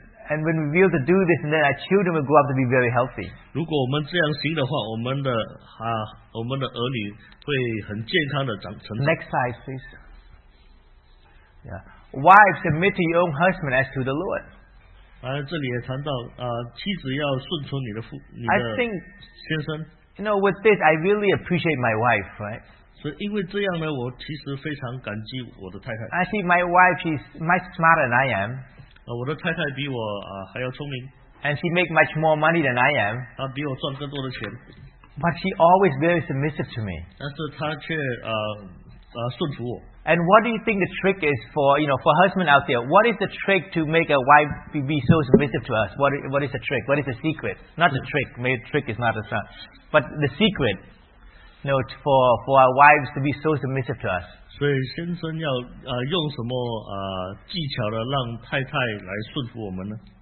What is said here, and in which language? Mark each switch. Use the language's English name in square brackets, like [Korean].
[English] And when we're able to do this, then our children will grow up to be very healthy. [Chinese] 如果我们这样行的话，我们的儿女会很健康的成长。 [English] Next slide, please. Yeah. Wives, submit to your own husband as to the Lord. [Chinese] 这里也谈到，妻子要顺从你的父，你的先生。 [English] I think, you know, with this, I really appreciate my wife, right? [Chinese] 所以因为这样呢，我其实非常感激我的太太。 [English] Actually, my wife, she's much smarter than I am. [Chinese] 我的太太比我还要聪明。 [English] And she makes much more money than I am. [Chinese] 她比我赚更多的钱。 [English] But she always very submissive to me. [Chinese] 但是她却顺服我。 [English] And what do you think the trick is for, you know, for husbands out there? What is the trick to make a wife be so submissive to us? What is the trick? What is the secret? Not the trick. Maybe the trick is not the trick. But the secret, you know, for our wives to be so submissive to us. [Chinese] 所以先生要用什么技巧的让太太来顺服我们呢？